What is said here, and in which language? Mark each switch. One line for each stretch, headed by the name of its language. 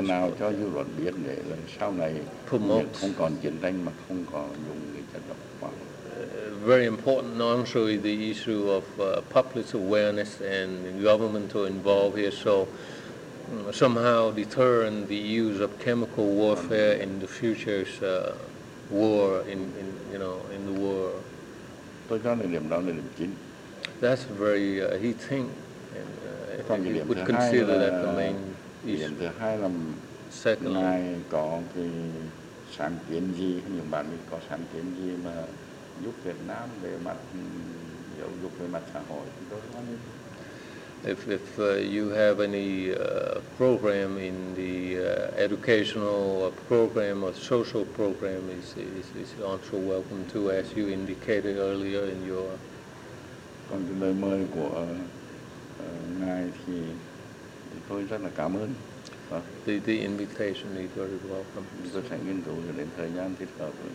Vietnamese: Nào cho dư luận biết để lần sau này không còn chiến tranh mà không còn dùng cái chất độc hóa.
English: Very important also is the issue of public awareness and governmental involve here. So somehow deterring the use of chemical warfare in the future. War in you know in the world.
Vietnamese: Tôi cho điểm đó là điểm chính.
English: That's very he think and he would consider that the main issue.
Vietnamese: Điểm thứ hai là ngài có cái sáng kiến gì, những bạn có sáng kiến gì mà giúp Việt Nam về mặt giáo dục về mặt xã hội.
English: If you have any program in the educational program or social program, is also welcome to, as you indicated earlier in your.
Vietnamese: Còn cái lời mời của ngài thì tôi rất là cảm ơn.
English: The invitation is very welcome.
Vietnamese: Tôi sẽ nghiên cứu đến thời gian thích hợp.